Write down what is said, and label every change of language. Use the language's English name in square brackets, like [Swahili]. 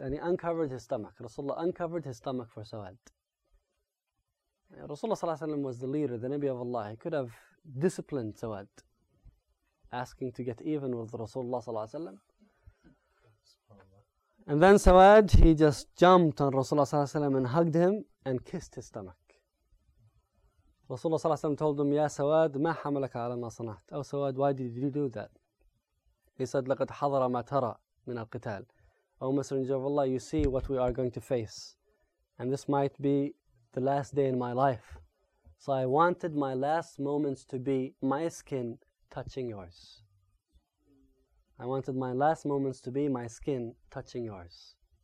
[English] And he uncovered his stomach. Rasulullah uncovered his stomach for Sawad. Rasulullah ﷺ was the leader, the Nabi of Allah. He could have disciplined Sawad, asking to get even with Rasulullah ﷺ. And then Sawad, he just jumped on Rasulullah ﷺ and hugged him and kissed his stomach. Rasulullah ﷺ told him, Ya Sawad, [Arabic] ما حملك على ما صنعت? [English] Oh Sawad, why did you do that? He said, [Arabic] لَقَدْ حَضَرَ مَا تَرَى مِنَ الْقِتَالِ. [English] O Messenger of Allah, you see what we are going to face. And this might be the last day in my life. So I wanted my last moments to be my skin touching yours. I wanted my last moments to be my skin touching yours.